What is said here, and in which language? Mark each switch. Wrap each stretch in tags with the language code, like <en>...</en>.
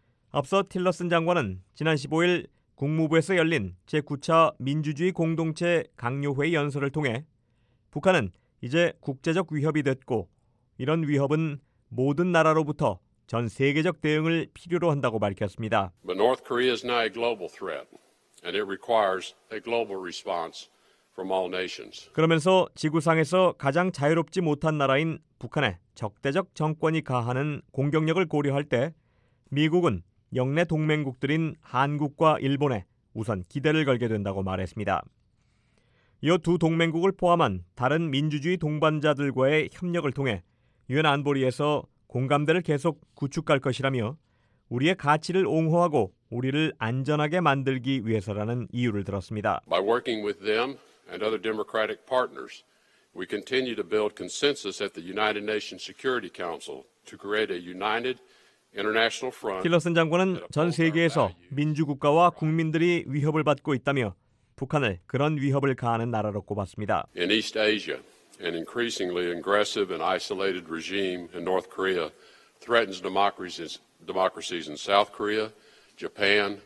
<ko>앞서 틸러슨 장관은 지난 15일 국무부에서 열린 제9차 민주주의 공동체 강요회 연설을 통해 북한은 이제 국제적 위협이 됐고 이런 위협은 모든 나라로부터 전 세계적 대응을 필요로 한다고 밝혔습니다.</ko> <en>But North Korea is now a global threat and it requires a global response from all nations.</en> <ko>그러면서 지구상에서 가장 자유롭지 못한 나라인 북한의 적대적 정권이 가하는 공격력을 고려할 때 미국은 영내 동맹국들인 한국과 일본에 우선 기대를 걸게 된다고 말했습니다. 이어 두 동맹국을 포함한 다른 민주주의 동반자들과의 협력을 통해 유엔 안보리에서 공감대를 계속 구축할 것이라며 우리의 가치를 옹호하고 우리를 안전하게 만들기 위해서라는 이유를 들었습니다.</ko> <en>By working with them and other democratic partners, we continue to build consensus at the United Nations Security Council to create a united</en> <ko>틸러슨 장관은 전 세계에서 민주국가와 국민들이 위협을 받고 있다며 북한을 그런 위협을 가하는 나라로 꼽았습니다.</ko> <en>In East Asia, an increasingly aggressive and isolated regime in North Korea threatens democracies in South Korea, Japan.</en>